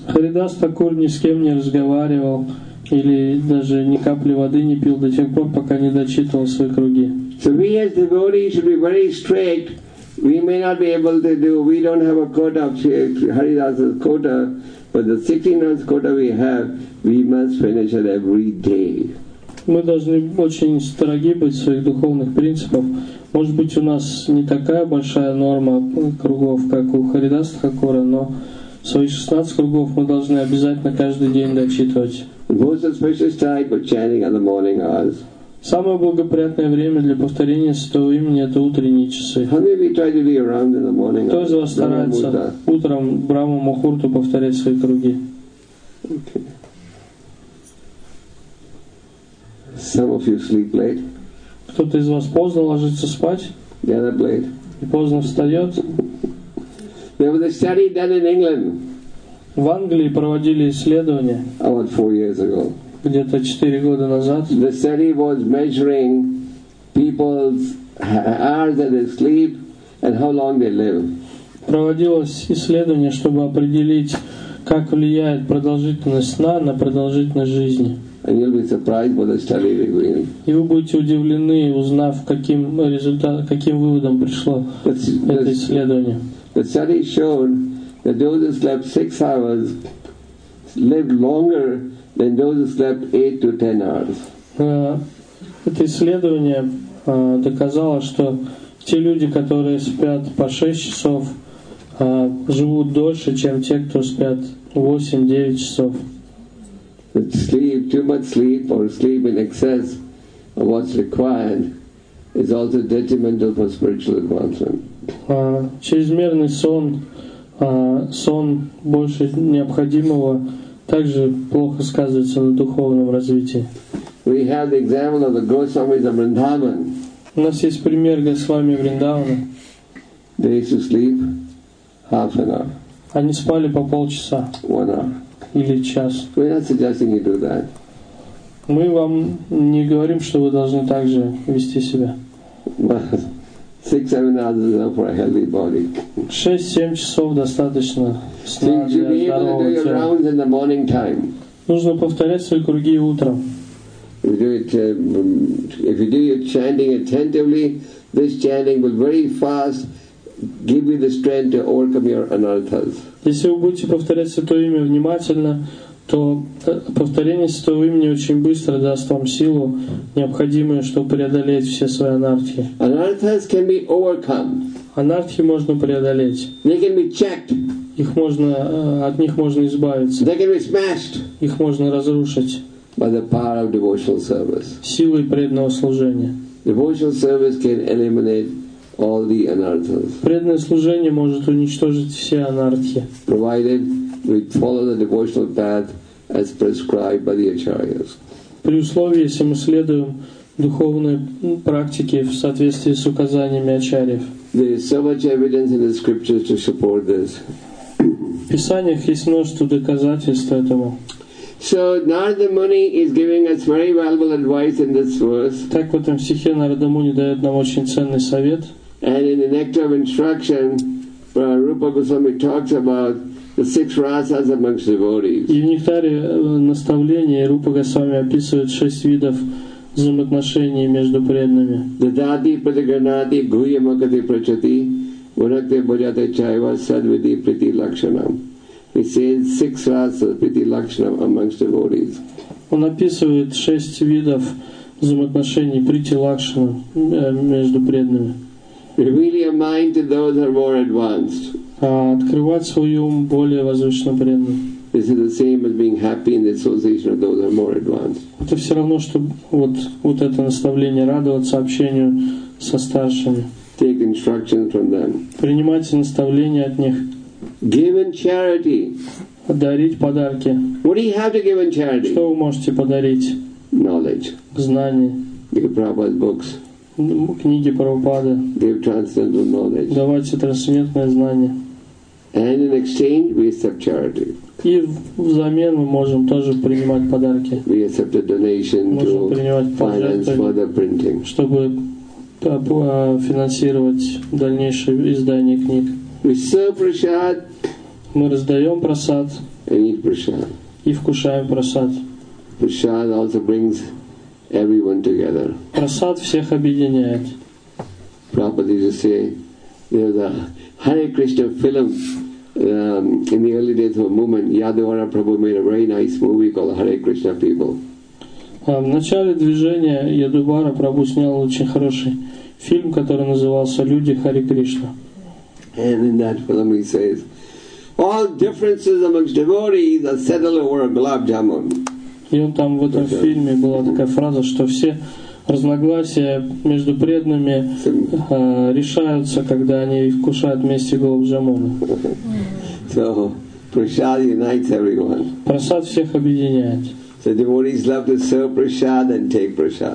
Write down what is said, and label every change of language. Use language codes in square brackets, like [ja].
[ru] Харидас Такур ни с кем не разговаривал или даже ни капли воды не пил до тех пор, пока не дочитывал свои круги. [en] So we as devotees should be very strict. We may not be able to do, we don't have a quota of Haridasa's quota, but the 69th quota we have, we must finish it every day. [ru] Мы должны очень строги быть в своих духовных принципах. Может быть, у нас не такая большая норма кругов, как у Харидаса Такура, но свои 16 кругов мы должны обязательно каждый день дочитывать. [en] Most auspicious time for chanting at the morning hours. [ru] Самое благоприятное время для повторения Святого имени это утренние часы. Кто из вас старается утром Брахма Мухурту повторять свои круги? [en] Some of you sleep late. [ru] Кто-то из вас поздно ложится спать? [en] Yeah, they're late. [ru] И поздно встает? [en] There was a study done in England. [ru] В Англии проводили исследование. [en] About 4 years ago. [ru] Где-то 4 года назад. [en] The study was measuring people's hours that they sleep and how long they live. [ru] Проводилось исследование, чтобы определить, как влияет продолжительность сна на продолжительность жизни. [en] And you'll be surprised by the study revealing. [ru] И вы будете удивлены, узнав, каким результатом, каким выводом пришло это исследование. [en] The study showed that those who slept 6 hours lived longer than those who slept 8 to 10 hours. [ru] Это исследование доказало, что те люди, которые спят по 6 часов, живут дольше, чем те, кто спят 8-9 часов. [en] Sleep, too much sleep or sleep in excess of what's required is also detrimental for spiritual advancement. [ru] Чрезмерный сон, сон больше необходимого, также плохо сказывается на духовном развитии. [en] We have the example of the Goswami of Vrindavan. [ru] У нас есть пример Госвами Вриндавана. [en] They used to sleep half an hour. [ru] Они спали по полчаса. [en] One hour. [ru] Или час. [en] We're not suggesting you do that. [ru] Мы вам не говорим, что вы должны так же вести себя. [en] But 6-7 hours is enough for a healthy body. [ru] 6-7 часов достаточно сна для здорового тела. [en] You need to do your rounds in the morning time. [ru] Нужно повторять свои круги утром. [en] If you do your chanting attentively, this chanting will very fast give you the strength to overcome your anarthas. [ru] Если вы будете повторять Святое Имя внимательно, то повторение Святого Имени очень быстро даст вам силу, необходимую, чтобы преодолеть все свои анархи. [en] Anarthas can be overcome. [ru] Анархи можно преодолеть. [en] They can be checked. [ru] Их можно, от них можно избавиться. [en] They can be smashed. [ru] Их можно разрушить. [en] By the power of devotional service. [ru] Силой преданного служения. [en] Devotional service can eliminate all the anarthas. [ru] Преданное служение может уничтожить все анархи. [en] Provided we follow the devotional path as prescribed by the acharyas. [ru] При условии, если мы следуем духовной практике в соответствии с указаниями ачарьев. [en] There is so much evidence in the scriptures to support this. [ru] В писаниях есть множество доказательств этому. [en] So Narada Muni is giving us very valuable advice in this verse. [ru] Так вот, в стихе Нарада Муни дает нам очень ценный совет. [en] And in the nectar of instruction, Rupa Goswami talks about the six rasas amongst devotees. [ru] И в нектаре наставления Рупа Госвами описывает шесть видов взаимоотношений между преданными. [sa] Дадати Пратиганати Гуйямакати Прачати Вунакте Бхаджате Чайва Садвити Прити Лакшанам. [en] He says six rasas, Priti Lakshanam, amongst devotees. [ru] Он описывает шесть видов взаимоотношений Priti Lakshanam между преданными. [en] Reveal your mind to those who are more advanced. [ru] Открывать свой ум более возвышенно преданным. [en] This is the same as being happy in the association of those who are more advanced. [ru] Это все равно, что вот это наставление радоваться общению со старшими. [en] Take instruction from them. [ru] Принимайте наставления от них. [en] Give in charity. [ru] Дарить подарки. [en] What do you have to give in charity? [ru] Что вы можете подарить? [en] Knowledge. [ru] Знания. [en] Give Prabhupada's books. [ru] Книги Прабхупады. [en] Give transcendental knowledge. [ru] Давайте трансцендентное знание. [en] And in exchange we accept charity. [ru] И взамен мы можем тоже принимать подарки. [en] We accept a donation to finance further printing. [ru] Чтобы финансировать дальнейшее издание книг. [en] We serve prasad. [ru] Мы раздаем прасад. [en] And eat prasad. [ru] И вкушаем прасад. [en] Prasad also brings everyone together. [ru] Прасад всех объединяет. [en] Prabhupada used to say, there was a Hare Krishna film in the early days of a movement. Yadavara Prabhu made a very nice movie called Hare Krishna People. [ru] В начале движения Yadavara Prabhu снял очень хороший фильм, который назывался «Люди Хари Кришна». [en] And in that film he says, all differences amongst devotees are settled over a gulab jamun. [ru] И он там в этом фильме была такая фраза, что все разногласия между преданными решаются, когда они вкушают вместе гулаб джамуна. [en] So prasad unites everyone. [ru] Прасад всех объединяет. [en] So devotees love to serve prasad and take prasad.